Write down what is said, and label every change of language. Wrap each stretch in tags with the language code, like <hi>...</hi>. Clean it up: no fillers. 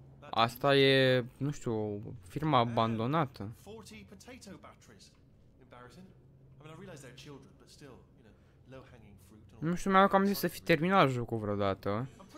<ro>Asta e, nu știu, o firmă abandonată.</ro> <en>40 potato batteries. Embarrassing. I mean, I realize they're children, but still, you know, low-hanging fruit.</en> <ro>Nu știu, mai că am zis să fi terminat jocul vreodată.</ro>